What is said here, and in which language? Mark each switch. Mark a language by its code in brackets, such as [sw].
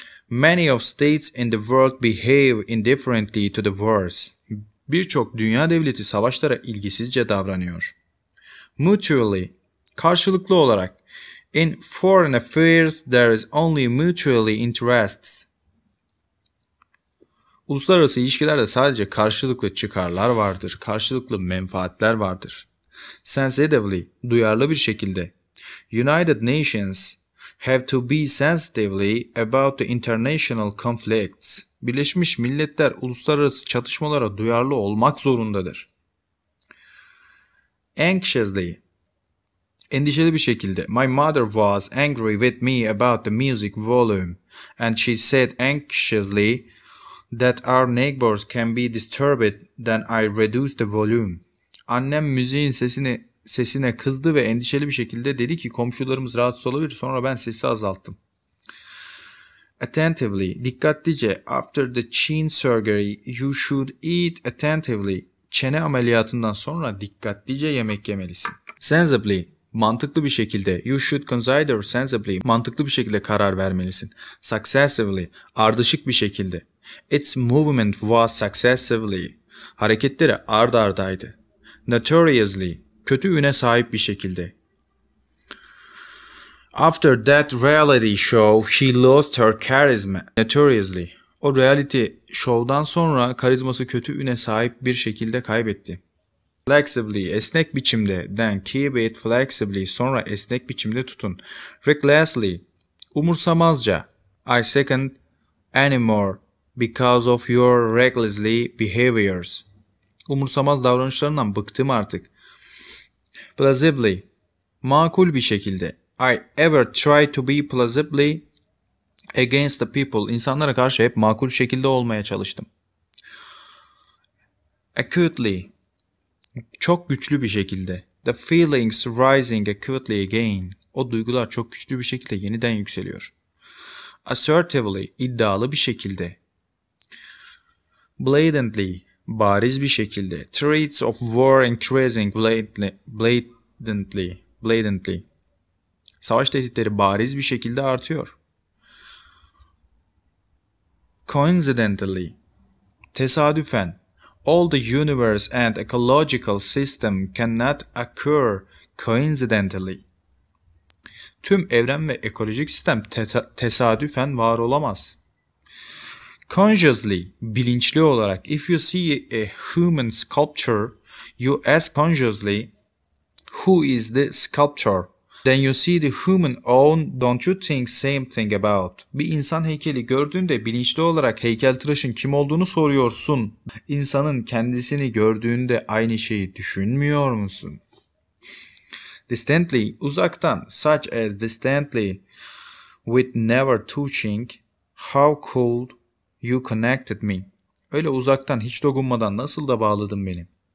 [en] Many of states in the world behave indifferently to the wars. [tr] Birçok dünya devleti savaşlara ilgisizce davranıyor. [en] Mutually, [tr] karşılıklı olarak. [en] In foreign affairs, there is only mutually interests. [tr] Uluslararası ilişkilerde sadece karşılıklı çıkarlar vardır, karşılıklı menfaatler vardır. [en] Sensitively, [tr] duyarlı bir şekilde. [en] United Nations have to be sensitively about the international conflicts. [tr] Birleşmiş Milletler uluslararası çatışmalara duyarlı olmak zorundadır. [en] Anxiously, [tr] endişeli bir şekilde. [en] My mother was angry with me about the music volume and she said anxiously that our neighbors can be disturbed then I reduced the volume. [tr] Annem müziğin sesine kızdı ve endişeli bir şekilde dedi ki komşularımız rahatsız olabilir, sonra ben sesi azalttım. [en] Attentively, [tr] dikkatlice. [en] After the chin surgery you should eat attentively. [tr] Çene ameliyatından sonra dikkatlice yemek yemelisin. [en] Sensibly, [tr] mantıklı bir şekilde. [en] You should consider sensibly. [tr] Mantıklı bir şekilde karar vermelisin. [en] Successively, [tr] ardışık bir şekilde. [en] Its movement was successively. [tr] Hareketleri ard ardaydı. [en] Notoriously, [tr] kötü üne sahip bir şekilde. [en] After that reality show, she lost her charisma. Notoriously, [tr] o reality show'dan sonra karizması kötü üne sahip bir şekilde kaybetti. [en] Flexibly, [tr] esnek biçimde. [en] Then keep it flexibly, [tr] sonra esnek biçimde tutun. [en] Recklessly, [tr] umursamazca. [en] I second anymore because of your recklessly behaviors. [tr] Umursamaz davranışlarından bıktım artık. [en] Plausibly, [tr] makul bir şekilde. [en] I ever try to be plausibly against the people. [tr] İnsanlara karşı hep makul şekilde olmaya çalıştım. [en] Acutely, [tr] çok güçlü bir şekilde. [en] The feelings rising acutely again. [tr] O duygular çok güçlü bir şekilde yeniden yükseliyor. [en] Assertively, [tr] iddialı bir şekilde. [en] Blatantly, [tr] bariz bir şekilde. [en] Threats of war increasing blatantly. [tr] Savaş tehditleri bariz bir şekilde artıyor. [en] Coincidentally, [tr] tesadüfen. [en] All the universe and ecological system cannot occur coincidentally. [tr] Tüm evren ve ekolojik sistem tesadüfen var olamaz. [en] Consciously, [tr] bilinçli olarak. [en] If you see a human sculpture, you ask consciously, who is the sculptor? Then you see the human own, don't you think same thing about? [tr] Bir insan heykeli gördüğünde bilinçli olarak heykeltıraşın kim olduğunu soruyorsun. İnsanın kendisini gördüğünde aynı şeyi düşünmüyor musun? [en] Distantly, [tr] uzaktan, [en] such as distantly, with never touching, how cold you connected me. [tr] Öyle uzaktan hiç dokunmadan nasıl da bağladın beni.